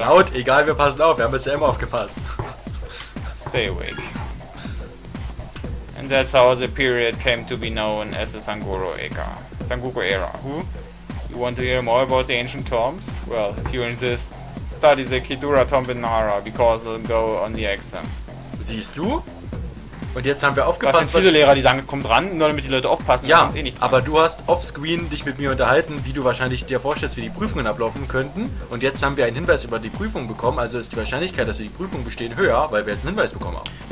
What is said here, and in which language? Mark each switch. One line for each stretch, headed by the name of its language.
German: Laut, egal, wir passen auf. Wir haben bisher immer aufgepasst.
English: Stay awake. And that's how the period came to be known as the Senguro era. Senguko era. Who? You want to hear more about the ancient tombs? Well, if you insist, study the Kidura tomb in Nara, because it'll go on the exam.
German: Siehst du? Und jetzt haben wir aufgepasst. Das sind viele Lehrer, die sagen, komm dran, nur damit die Leute aufpassen. Ja, eh nicht, aber du hast offscreen dich mit mir unterhalten, wie du wahrscheinlich dir vorstellst, wie die Prüfungen ablaufen könnten. Und jetzt haben wir einen Hinweis über die Prüfung bekommen, also ist die Wahrscheinlichkeit, dass wir die Prüfung bestehen, höher, weil wir jetzt einen Hinweis bekommen haben.